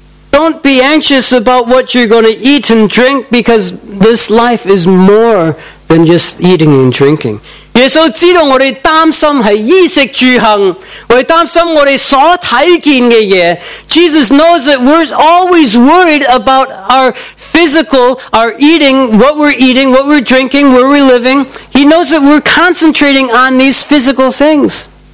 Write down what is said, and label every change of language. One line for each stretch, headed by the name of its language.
English: Don't be anxious about what you're going to eat and drink, because this life is more than just eating and drinking.
Chinese: 耶稣知道我们担心是衣食住行，我们担心我们所看见的东西。
English: Jesus knows that we're always worried about our physical, our eating, what we're drinking, where we're living. He knows that we're concentrating on these physical things.